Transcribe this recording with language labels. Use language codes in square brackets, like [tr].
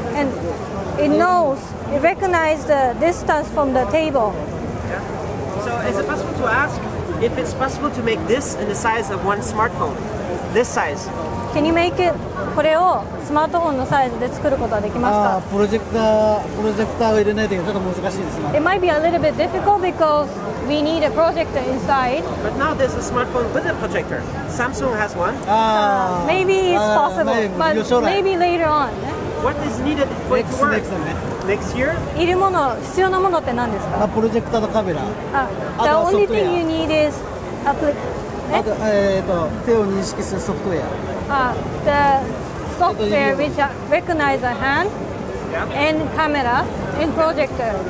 [en] And it knows, it recognizes the distance from the table. So is it possible to ask if it's possible to make this in the size of one smartphone? This size? Can you make it? [ja] これをスマートフォンのサイズで作ることはできますか？プロジェクターを入れないとちょっと難しいですね。 [en] It might be a little bit difficult because we need a projector inside. But now there's a smartphone with a projector. Samsung has one. Maybe it's possible, but maybe later on. What is needed for it to work? Next year? [ja] いるもの、必要なものって何ですか？プロジェクターとカメラ。 [en] The only thing you need is [ja] あと、手を認識するソフトウェア。 [en] The software which recognize a hand and camera and projector.